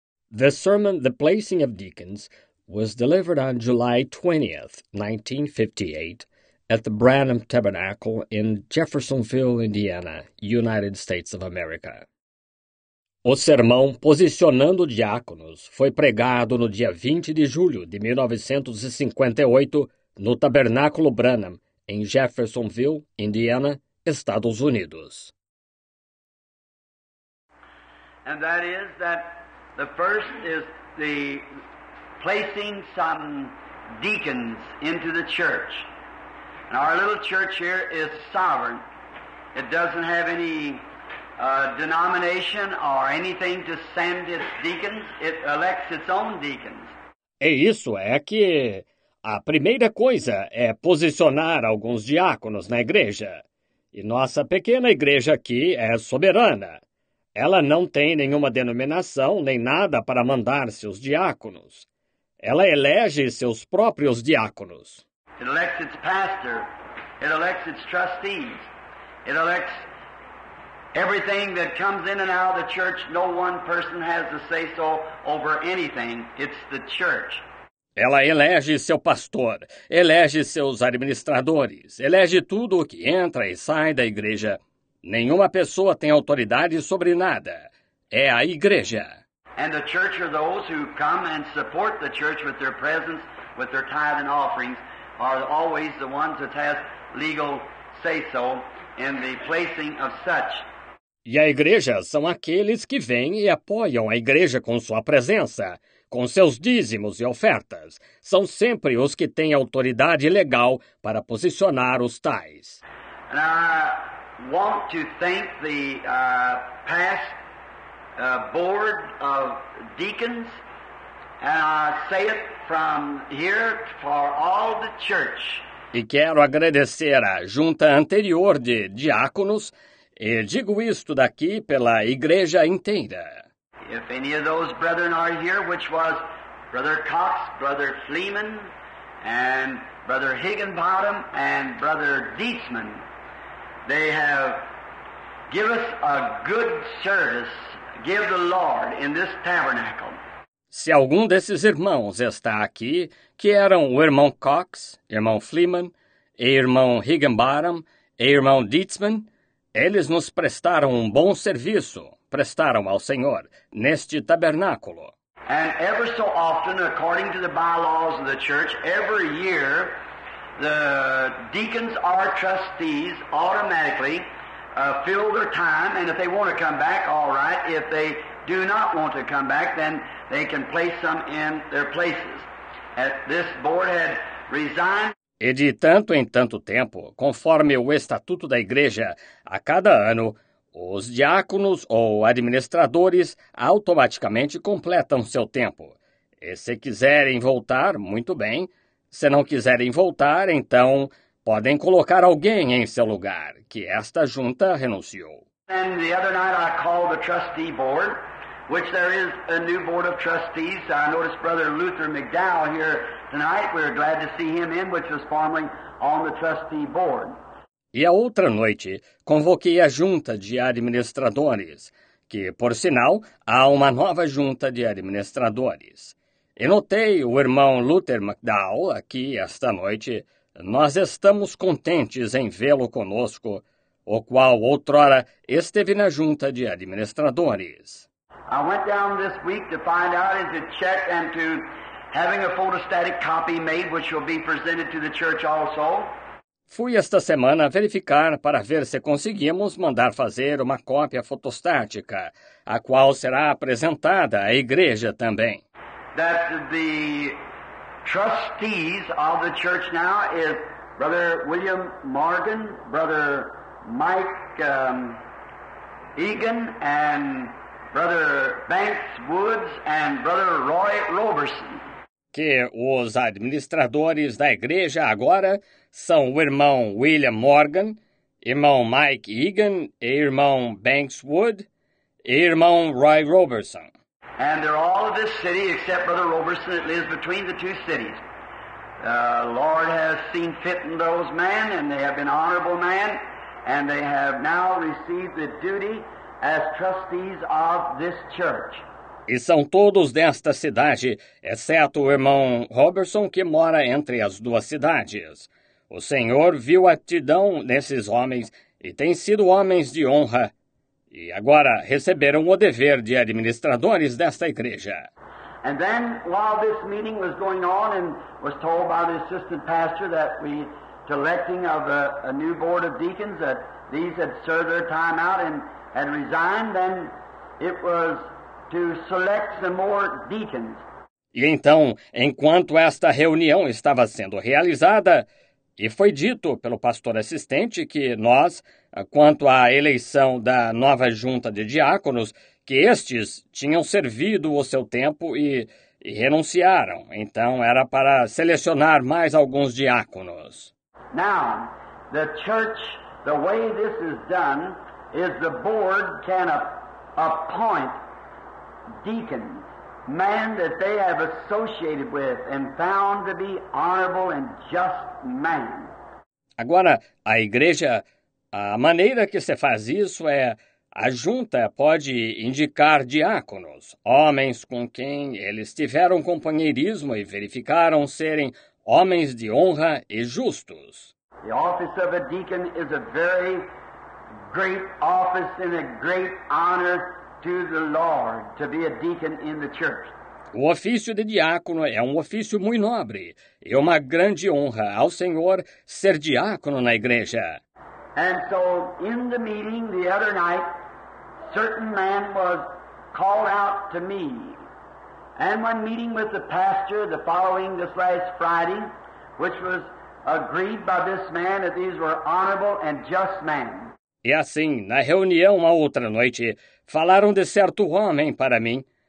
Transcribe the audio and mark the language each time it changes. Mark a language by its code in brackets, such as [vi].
[en] The sermon, The Placing of Deacons, was delivered on July 20, 1958, at the Branham Tabernacle in Jeffersonville, Indiana, United States of America. [pt] O sermão Posicionando Diáconos foi pregado no dia 20 de julho de 1958 no Tabernáculo Branham, em Jeffersonville, Indiana, Estados Unidos. [en] And that is that the first is the placing some deacons into the church. And our little church here is sovereign. It doesn't have any denomination or anything to send its deacons. It elects its own deacons. [pt] É isso, é que a primeira coisa é posicionar alguns diáconos na igreja. E nossa pequena igreja aqui é soberana. Ela não tem nenhuma denominação nem nada para mandar seus diáconos. Ela elege seus próprios diáconos. [en] It elects its pastor. It elects its trustees. It elects everything that comes in and out of the church. No one person has a say-so over anything. It's the church. [pt] Ela elege seu pastor, elege seus administradores, elege tudo o que entra e sai da igreja. Nenhuma pessoa tem autoridade sobre nada. É a igreja. [en] And the church are those who come and support the church with their presence, with their tithe and offerings, are always the ones that have legal say-so in the placing of such. [pt] E a igreja são aqueles que vêm e apoiam a igreja com sua presença, com seus dízimos e ofertas. São sempre os que têm autoridade legal para posicionar os tais. [en] And I want to thank the past board of deacons, and I say it from here for all the church. [pt] E quero agradecer à junta anterior de diáconos, e digo isto daqui pela igreja inteira. [en] If any of those brethren are here, which was Brother Cox, Brother Fleeman, and Brother Higginbottom, and Brother Dietzman, they have given us a good service, give the Lord, in this tabernacle. [pt] Se algum desses irmãos está aqui, que eram o irmão Cox, irmão Fleeman, e irmão Higginbottom, e irmão Dietzman, eles nos prestaram um bom serviço, prestaram ao Senhor, neste tabernáculo. [en] And ever so often, according to the bylaws of the church, every year, the deacons or trustees automatically fill their time, and if they want to come back, all right. If they do not want to come back, then they can place some in their places. At this board had resigned. [pt] E de tanto em tanto tempo, conforme o estatuto da igreja, a cada ano, os diáconos ou administradores automaticamente completam seu tempo. E se quiserem voltar, muito bem. Se não quiserem voltar, então podem colocar alguém em seu lugar, que esta junta renunciou. [en] And the other night I called the trustee board, which there is a new board of trustees. I noticed Brother Luther McDowell here tonight. We're glad to see him in, which was formerly on the trustee board. [pt] E a outra noite, convoquei a junta de administradores, que, por sinal, há uma nova junta de administradores. E notei o irmão Luther McDowell aqui esta noite. Nós estamos contentes em vê-lo conosco, o qual outrora esteve na junta de administradores. [en] I went down this week to find out and to check and to having a photostatic copy made, which will be presented to the church also. [pt] Fui esta semana verificar para ver se conseguimos mandar fazer uma cópia fotostática, a qual será apresentada à igreja também. [en] That the trustees of the church now is Brother William Morgan, Brother Mike Egan, and Brother Banks Woods, and Brother Roy Roberson. [pt] Que os administradores da igreja agora são o irmão William Morgan, irmão Mike Egan, e irmão Banks Wood, e irmão Roy Roberson. [en] And they're all of this city except Brother Roberson that lives between the two cities. The Lord has seen fit in those men, and they have been honorable men, and they have now received the duty as trustees of this church. [pt] E são todos desta cidade, exceto o irmão Robertson, que mora entre as duas cidades. O senhor viu aptidão nesses homens e têm sido homens de honra. E agora receberam o dever de administradores desta igreja. [en] And then, while this meeting was going on, and was told by the assistant pastor that we, to electing of a new board of deacons, that these had served their time out and had resigned, then it was to select some more deacons. [pt] E então, enquanto esta reunião estava sendo realizada, e foi dito pelo pastor assistente que nós, quanto à eleição da nova junta de diáconos, que estes tinham servido o seu tempo e renunciaram. Então, era para selecionar mais alguns diáconos. [en] Now, the church, the way this is done, is the board can appoint deacons, men that they have associated with and found to be honorable and just men. [pt] Agora, a igreja, a maneira que se faz isso é a junta pode indicar diáconos, homens com quem eles tiveram companheirismo e verificaram serem homens de honra e justos. [en] The office of a deacon is a very great office and a great honor to the Lord to be a deacon in the church. [pt] O ofício de diácono é um ofício muito nobre e uma grande honra ao Senhor ser diácono na igreja. [en] And so in the meeting the other night, certain man was called out to me. And when meeting with the pastor the following this last Friday, which was agreed by this man that these were honorable and just men. [pt] E assim, na reunião uma outra noite, falaram de certo homem para mim.